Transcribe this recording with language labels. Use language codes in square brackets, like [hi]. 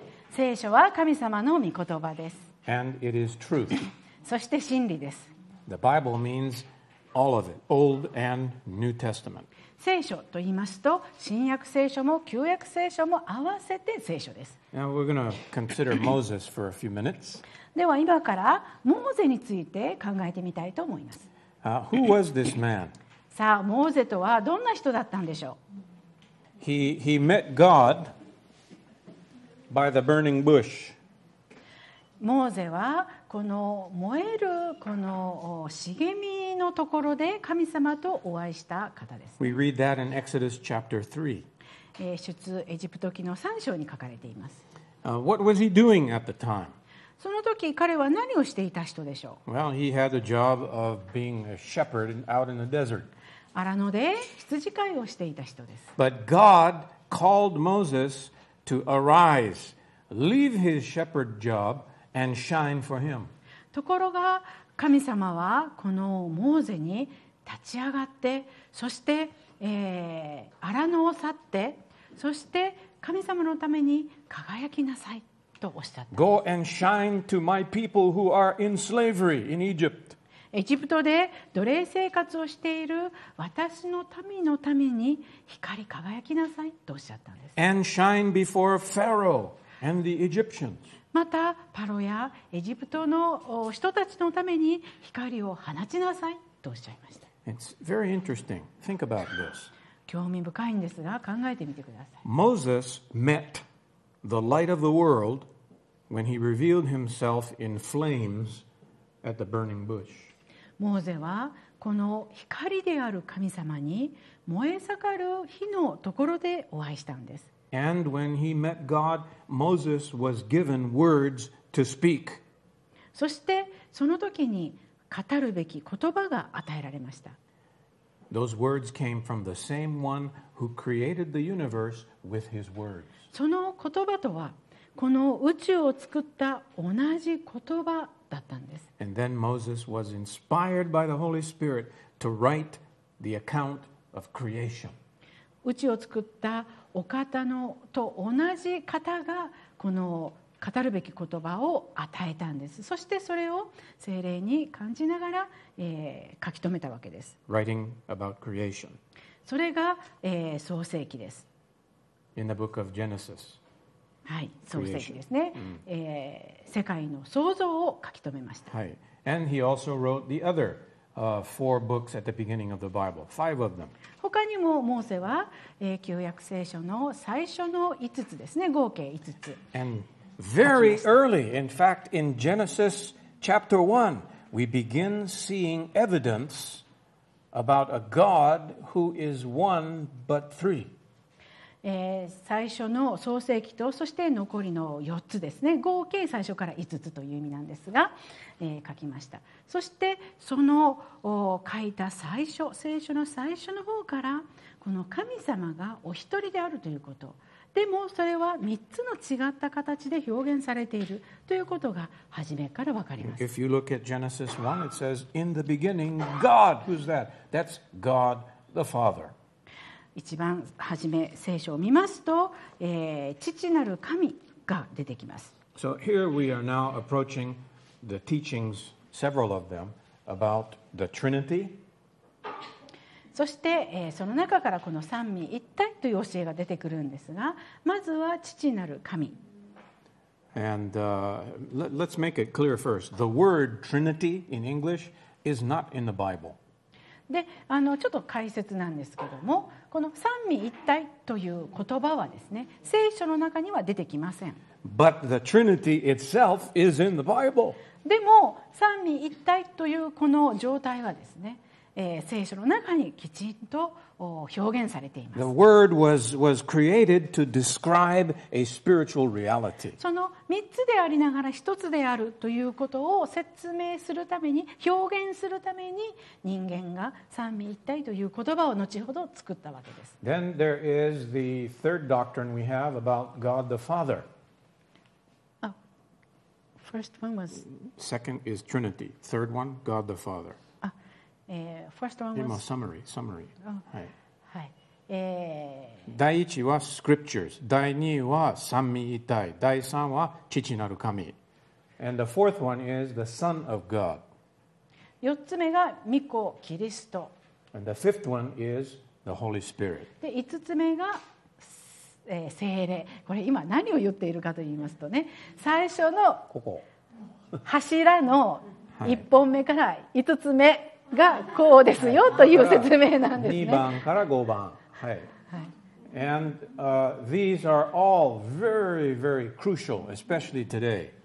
[ja] 聖書は神様の御言葉です。 [en] And it is truth. [ja] そして真理です。 [en] The Bible means all of it, Old and New Testament. [ja] 聖書と言いますと、新約聖書も旧約聖書も合わせて聖書です。 [en] Now we're going to consider Moses for a few minutes. [ja] では今からモーゼについて考えてみたいと思います。 [en] Who was this man? [ja] さあ、モーゼとはどんな人だったんでしょう？ [en] He met God by the burning bush. [ja] モーゼはこの燃えるこの茂みのところで神様とお会いした方です。 [en] We read that in Exodus chapter 3. [ja] 出エジプト記の3章に書かれています。 [en] What was he doing at the time? [ja] その時彼は何をしていた人でしょう? [en] Well, he had the job of being a shepherd out in the desert. [ja] 荒野で羊飼いをしていた人です。 [en] But God called Moses to arise, leave his shepherd job and shine for him. [ja] ところが神様はこのモーゼに立ち上がって、そして荒野を去って、そして神様のために輝きなさいとおっしゃった。 [en] Go and shine to my people who are in slavery in Egypt. [ja] エジプトで奴隷生活をしている私の民のために光り輝きなさいとおっしゃったんです。 [en] And shine before Pharaoh and the Egyptians. [ja] またパロやエジプトの人たちのために光を放ちなさいとおっしゃいました。 [en] It's very interesting. Think about this. [ja] 興味深いんですが考えてみてください。 [en] Moses met the light of the world when he revealed himself in flames at the burning bush. [ja] モーゼはこの光である神様に燃え盛る火のところでお会いしたんです。 [en] And when he met God, Moses was given words to speak. [ja] そしてその時に語るべき言葉が与えられました。 [en] Those words came from the same one who created the universe with his words. [ja] その言葉とはこの宇宙を作った同じ言葉。 [en] And then Moses was inspired by the Holy Spirit to write the account of creation. [ja] 宇宙を作ったお方のと同じ方がこの語るべき言葉を与えたんです。そしてそれを聖霊に感じながら、書き留めたわけです。 [en] Writing about creation. [ja] それが、創世記です。 [en] In the book of Genesis. [ja] はい、創世記ですね、世界の創造を書き留めました、 [en] はい、And he also wrote the other, four books at the beginning of the Bible, five of them. [ja] 他にもモーセは、旧約聖書の最初の5つですね合計5つ [en] And very early, in fact, in Genesis chapter 1 we begin seeing evidence about a God who is one but three [ja] 最初の創世記とそして残りの4つですね合計最初から5つという意味なんですが、書きましたそしてその書いた最初聖書の最初の方からこの神様がお一人であるということでもそれは3つの違った形で表現されているということが初めから分かります [en] If you look at Genesis 1 it says in the beginning God who's that? That's God the Father [ja] 一番初め聖書を見ますと、父なる神が出てきます。 [en] So here we are now approaching the teachings, several of them, about the Trinity. [ja] そして、その中からこの三位一体という教えが出てくるんですが、まずは父なる神。 [en] And let's make it clear first. The word Trinity in English is not in the Bible. [ja] で、ちょっと解説なんですけども、この三位一体という言葉はですね、聖書の中には出てきません。 [en] But the Trinity itself is in the Bible. [ja] でも三位一体というこの状態はですね、聖書の中にきちんと表現されています。 [en] The word was created to describe a spiritual reality. [ja] その三つでありながら一つであるということを説明するために、表現するために、人間が三位一体という言葉を後ほど作ったわけです。 [en] Then there is the third doctrine we have about God the Father. First one was... Second is Trinity. Third one, God the Father. First one was... [ja] 今、summary、 oh. はい。第1は Scriptures、第2は三位一体、第3は父なる神。 [en] And the fourth one is the Son of God. [ja] 四つ目が御子キリスト。 [en] And the fifth one is the Holy Spirit. [ja] で、五つ目が聖霊。これ今何を言っているかと言いますとね、最初のここ柱の一本目から五つ目。はいがこうですよという説明なんですね。 2番から5番、はい、はい。 [en] And these are all very, very crucial, especially today.